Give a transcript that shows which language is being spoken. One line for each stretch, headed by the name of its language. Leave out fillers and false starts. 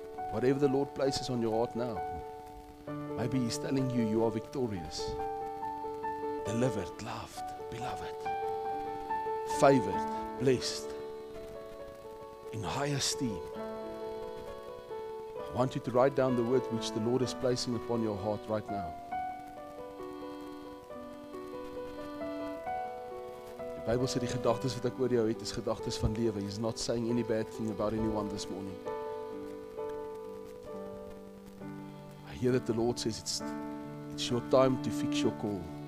English: Whatever the Lord places on your heart now, maybe He's telling you, you are victorious, delivered, loved, beloved, favored, blessed, in high esteem. I want you to write down the word which the Lord is placing upon your heart right now.
Afrikaans: Bible sê die gedagtes wat ek oor jou het is gedagtes van lewe.
English: He's not saying any bad thing about anyone this morning. I hear that the Lord says it's your time to fix your call.